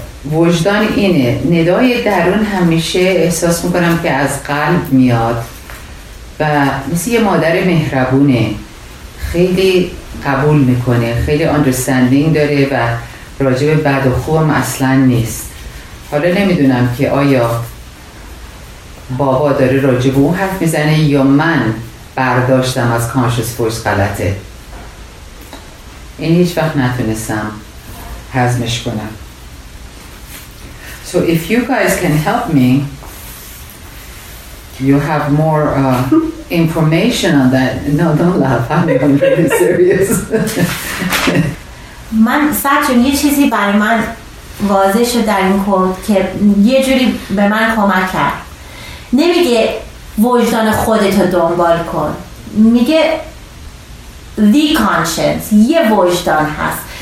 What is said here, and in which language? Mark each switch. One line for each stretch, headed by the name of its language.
Persian: وجدان اینه، ندای درون همیشه احساس میکنم که از قلب میاد و مثل یه مادر مهربونه، خیلی قبول میکنه، خیلی understanding داره و راجع به بد و خوب اصلا نیست. حالا نمیدونم که آیا بابا داره راجع به اون حرف میزنه یا من برداشتم از conscious voice غلطه. این هیچ وقت نتونستم هضمش کنم.
English: So if you guys can help me, you have more information on that. No, don't laugh. I'm being really serious.
Persian: من سچون یه چیزی برای من واضح شد در این کود که یه جوری به من کمک کرد. نمیگه وجدان خودتو دنبال کن، میگه the conscience، یه وجدان هست.